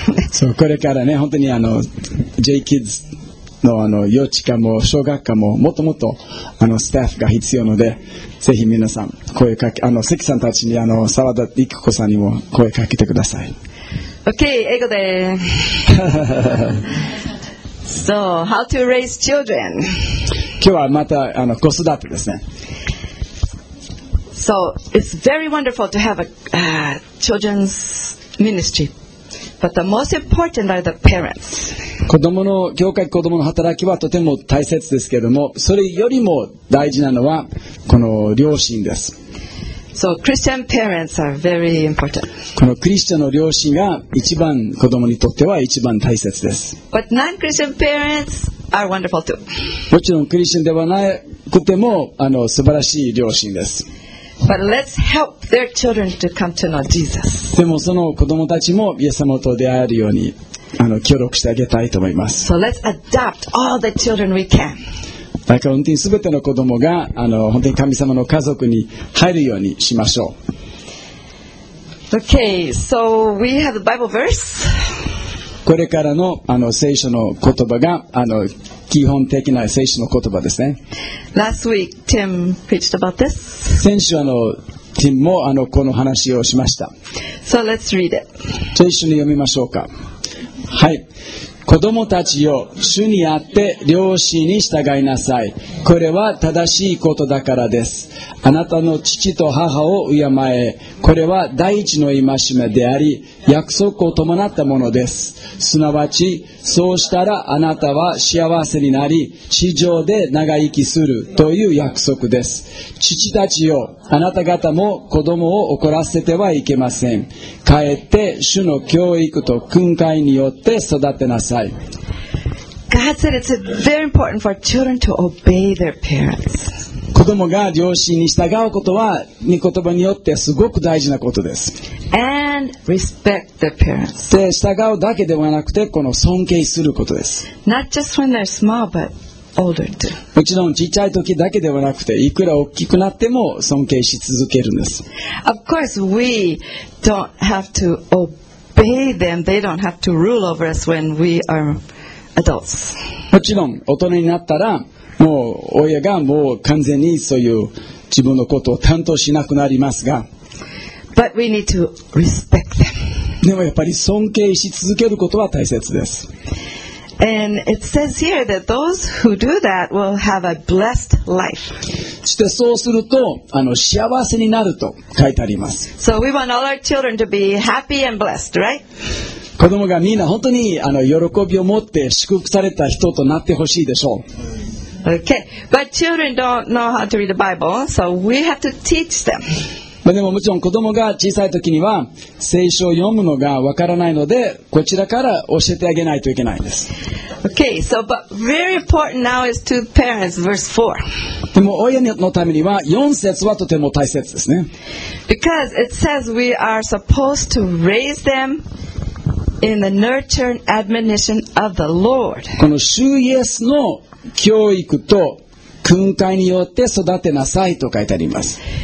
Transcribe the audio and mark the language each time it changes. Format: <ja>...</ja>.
<ja>そう、これからね、本当に J キッズの幼稚科も小学科ももっともっとスタッフが必要ので、ぜひ皆さん声かけ、関さんたちに、沢田行く子さんにも声かけてください。 OK、 英語で。</ja> <en>So, how to raise children?</en> <ja>今日はまた子育てですね。</ja> <en>So, it's very wonderful to have a children's ministry. But the most important are the parents.</en> <ja>子供の教会、子供の働きはとても大切ですけれども、それよりも大事なのはこの両親です。</ja> <en>So, Christian parents are very important.</en> <ja>このクリスチャンの両親が一番、子供にとっては一番大切です。</ja> <en>But non-Christian parents are wonderful too.</en> <ja>もちろんクリスチャンではなくても素晴らしい両親です。</ja> <en>But let's help their children to come to know Jesus.</en> <ja>でもその子供たちもイエス様と出会えるように協力してあげたいと思います。</ja> <en>So let's adopt all the children we can.</en> <ja>だから本当に全ての子供が本当に神様の家族に入るようにしましょう。</ja> <en>OK, so we have the Bible verse.</en> <ja>これから の聖書の言葉が基本的な聖書の言葉ですね。</ja> <en>Last week, Tim preached about this.</en> <ja>先週Tim もこの話をしました。</ja> <en>So let's read it.</en> <ja>じゃあ一緒に読みましょうか。はい。子供たちよ、主にあって良心に従いなさい。これは正しいことだからです。あなたの父と母を敬え。これは第一の戒めであり、約束を伴ったものです。すなわち、そうしたらあなたは幸せになり、地上で長生きするという約束です。父たちよ、あなた方も子供を怒らせてはいけません。かえって主の教育と訓戒によって育てなさい。</ja> <en>God said it's very important for children to obey their parents.</en> <ja>子供が両親に従うことは、御言葉によってすごく大事なことです。</ja> <en>And respect their parents.</en> <ja>で、従うだけではなくて、この尊敬することです。</ja> <en>Not just when they're small, but older too.</en> <ja>もちろん小さい時だけではなくて、いくら大きくなっても尊敬し続けるんです。</ja> <en>Of course, we don't have to obey them. They don't have to rule over us when we are adults.</en> <ja>もちろん大人になったら、もう親がもう完全にそういう自分のことを担当しなくなりますが。</ja> <en>But we need to respect them.</en> <ja>でもやっぱり尊敬し続けることは大切です。</ja> <en>And it says here that those who do that will have a blessed life.</en> <ja>そしてそうすると、幸せになると書いてあります。</ja> <en>So we want all our children to be happy and blessed, right?</en> <ja>子供がみんな本当に喜びを持って祝福された人となってほしいでしょう。</ja> <en>Okay, but children don't know how to read the Bible, so we have to teach them.</en> <ja>でももちろん子供が小さい時には聖書を読むのがわからないのでこちらから教えてあげないといけないんです。</ja> <en>Okay, so but very important now is to parents, verse 4.</en> <ja>でも親のためには4節はとても大切ですね。</ja> <en>Because it says we are supposed to raise them in the nurture and admonition of the Lord.</en> <ja>この主イエスの教育と訓戒によって育てなさいと書いてあります。</ja>